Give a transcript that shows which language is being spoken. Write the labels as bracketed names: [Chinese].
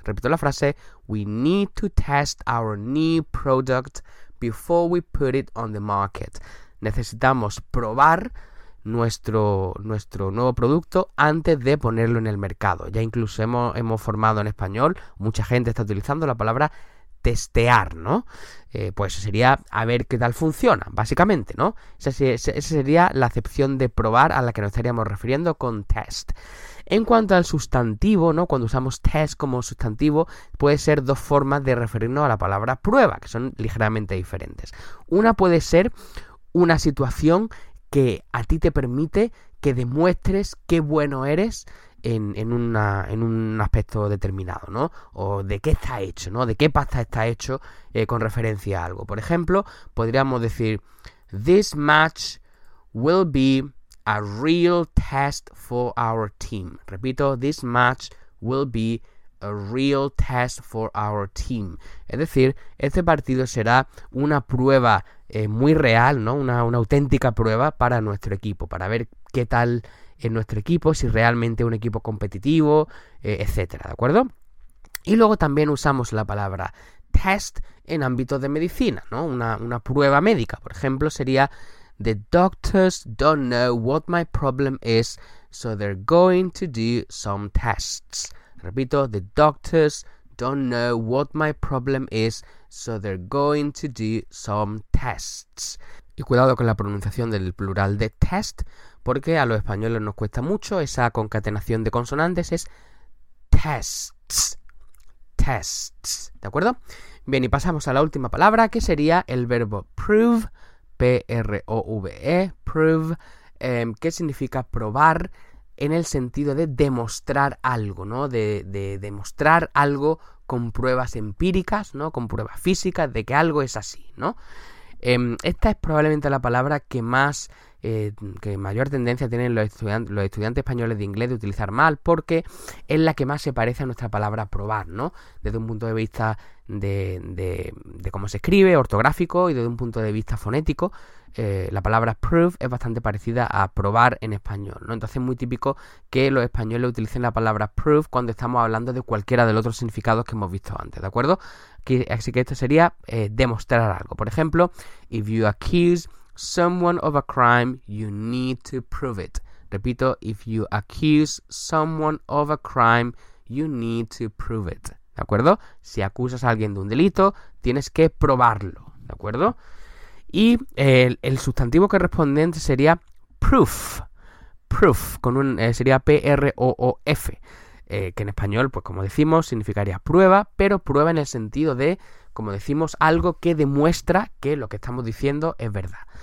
[Spanish] Repito la frase, [English] we need to test our new product before we put it on the market. [Spanish] Necesitamos probar nuestro nuevo producto antes de ponerlo en el mercado. Ya incluso hemos formado en español, mucha gente está utilizando la palabra testear, ¿no? Pues sería a ver qué tal funciona, básicamente, ¿no? Esa sería la acepción de probar a la que nos estaríamos refiriendo con test. En cuanto al sustantivo, ¿no? Cuando usamos test como sustantivo, puede ser dos formas de referirnos a la palabra prueba, que son ligeramente diferentes. Una puede ser una situación que a ti te permite que demuestres qué bueno eres en un aspecto determinado, ¿no? O de qué está hecho, ¿no? De qué pasta está hecho con referencia a algo. Por ejemplo, podríamos decir, [English] this match will be a real test for our team. [Spanish] Repito, [English] this match will be a real test for our team. [Spanish] Es decir, este partido será una prueba muy real, ¿no? Una auténtica prueba para nuestro equipo, para ver qué tal en nuestro equipo, si realmente un equipo competitivo, etcétera, ¿de acuerdo? Y luego también usamos la palabra test en ámbitos de medicina, ¿no? Una prueba médica, por ejemplo, sería [English] the doctors don't know what my problem is, so they're going to do some tests. Repito, the doctors don't know what my problem is, so they're going to do some tests. [Spanish] Y cuidado con la pronunciación del plural de test, porque a los españoles nos cuesta mucho esa concatenación de consonantes, es tests, tests, ¿de acuerdo? Bien, y pasamos a la última palabra, que sería el verbo prove, P-R-O-V-E, prove, que significa probar en el sentido de demostrar algo, ¿no? De demostrar algo con pruebas empíricas, ¿no? Con pruebas físicas de que algo es así, ¿no? Esta es probablemente la palabra que más que mayor tendencia tienen los estudiantes españoles de inglés de utilizar mal, porque es la que más se parece a nuestra palabra probar, ¿no? Desde un punto de vista de cómo se escribe, ortográfico, y desde un punto de vista fonético, la palabra prove es bastante parecida a probar en español, ¿no? Entonces es muy típico que los españoles utilicen la palabra prove cuando estamos hablando de cualquiera de los otros significados que hemos visto antes, ¿de acuerdo? Así que esto sería demostrar algo. Por ejemplo, [English] if you accuse someone of a crime, you need to prove it. [Spanish] Repito, [English] if you accuse someone of a crime, you need to prove it. [Spanish] ¿De acuerdo? Si acusas a alguien de un delito, tienes que probarlo. ¿De acuerdo? Y el sustantivo correspondiente sería proof. Proof, sería P-R-O-O-F. Que en español, pues como decimos, significaría prueba, pero prueba en el sentido de, como decimos, algo que demuestra que lo que estamos diciendo es verdad.